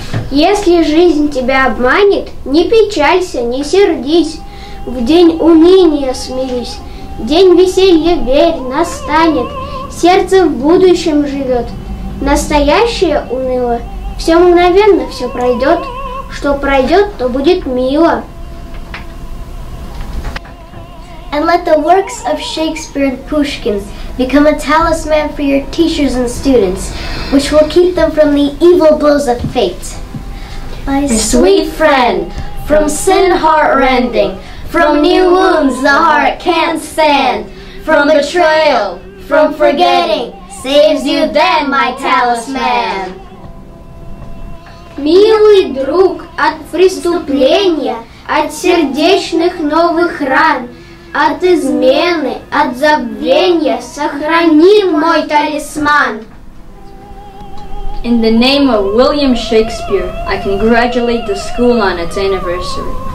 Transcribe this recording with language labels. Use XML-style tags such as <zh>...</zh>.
<ru>если жизнь тебя обманет, не печалься, не сердись, в день уныния смирись, день веселья верь, настанет, сердце в будущем живет, настоящее уныло, все мгновенно все пройдет, что пройдет, то будет мило.</ru> <en>And let the works of Shakespeare and Pushkin become a talisman for your teachers and students, which will keep them from the evil blows of fate. My sweet friend, from sin heart-rending, from new wounds the heart can't stand, from betrayal, from forgetting, saves you then, my talisman.</en> <ru>Милый друг, от преступления, от сердечных новых ран, от измены, от забвения, сохрани мой талисман.</ru> <en>In the name of William Shakespeare, I congratulate the school on its anniversary.</en>